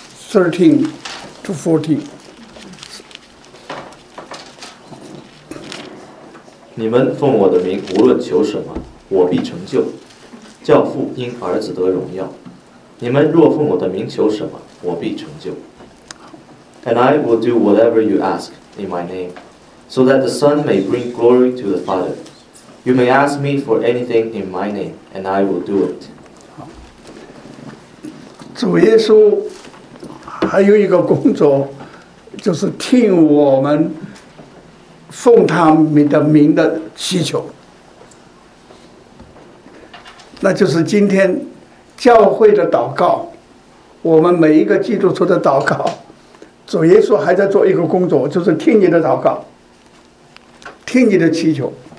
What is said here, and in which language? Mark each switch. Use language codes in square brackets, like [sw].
[en] 13 to 14。 [zh] 你们奉我的名无论求什么，我必成就。教父因儿子得荣耀。你们若奉我的名求什么，我必成就。 [en] And I will do whatever you ask in my name, so that the Son may bring glory to the Father. You may ask me for anything in my name, and I will do it. [zh] 主耶稣还有一个工作，就是听我们奉他们的名的祈求，那就是今天教会的祷告，我们每一个基督徒的祷告，主耶稣还在做一个工作，就是听你的祷告，听你的祈求。